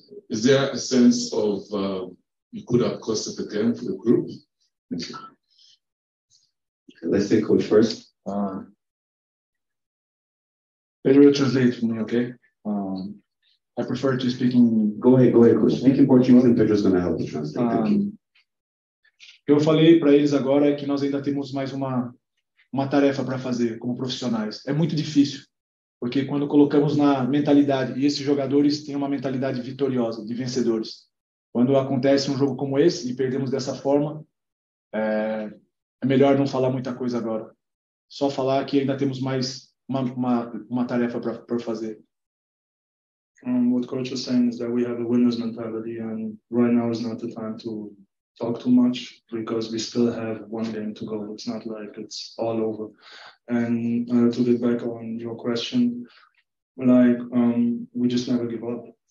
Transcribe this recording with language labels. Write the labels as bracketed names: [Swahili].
[English] Is there a sense of you could have costed the game for the group? Okay, let's take Coach first. Better translate for me, okay? I prefer to speak in... Go ahead, Coach. Speak in Portuguese and Pedro's going to help you translate. [Portuguese] Eu falei para eles agora que nós ainda temos mais uma, uma tarefa para fazer como profissionais. É muito difícil, porque quando colocamos na mentalidade, e esses jogadores têm uma mentalidade vitoriosa, de vencedores, quando acontece um jogo como esse e perdemos dessa forma, é melhor não falar muita coisa agora. Só falar que ainda temos mais uma tarefa para fazer. [English] What coach was saying is that we have a winner's mentality, and right now is not the time to talk too much because we still have one game to go. It's not like it's all over. And to get back on your question, like we just never give up.